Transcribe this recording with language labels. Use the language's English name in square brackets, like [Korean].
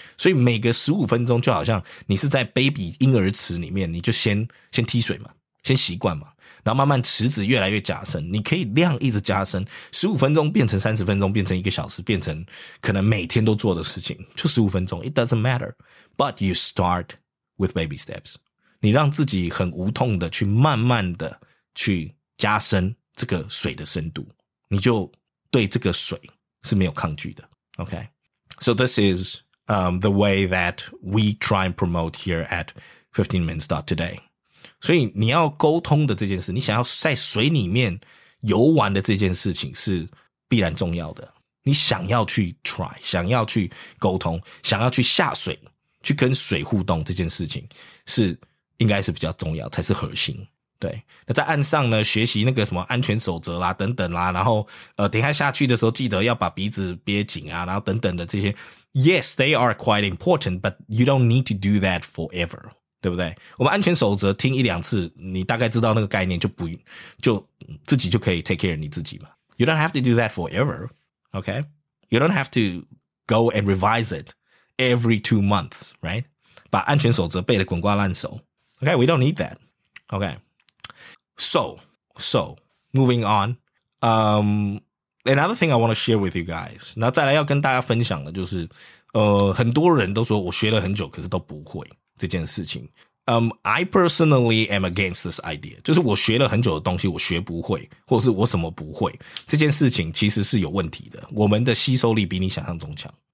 [Chinese] 所以每个15分钟就好像你是在 baby 婴儿池里面，你就先踢水嘛，先习惯嘛，然后慢慢池子越来越加深，你可以量一直加深，15分钟变成30分钟，变成一个小时，变成可能每天都做的事情，就15分钟， [English] it doesn't matter. But you start with baby steps. [Chinese] 你让自己很无痛的去慢慢的去加深这个水的深度，你就对这个水是没有抗拒的。 [English] Okay. So this is the way that we try and promote here at 15minutes.today. [Chinese] 所以你要沟通的这件事，你想要在水里面游玩的这件事情是必然重要的。你想要去 try， 想要去沟通，想要去下水，去跟水互动这件事情是应该是比较重要，才是核心。对，那在岸上呢，学习那个什么安全守则啦，等等啦，然后等一下下去的时候，记得要把鼻子憋紧啊，然后等等的这些 ， [English] Yes, they are quite important, but you don't need to do that forever， [Chinese] 对不对？我们安全守则听一两次，你大概知道那个概念，就自己就可以 [English] take care of [Chinese] 你自己嘛。 [English] You don't have to do that forever, okay? You don't have to go and revise it every 2 months, right? [Chinese] 把安全守则背得滚瓜烂熟 ， [English] okay? We don't need that, okay? So, moving on. Another thing I want to share with you guys. [Chinese] 那再来要跟大家分享的就是，很多人都说我学了很久，可是都不会这件事情。 [English] I personally am against this idea. [Chinese] 就是我学了很久的东西，我学不会，或者是我什么不会，这件事情其实是有问题的。我们的吸收力比你想象中强。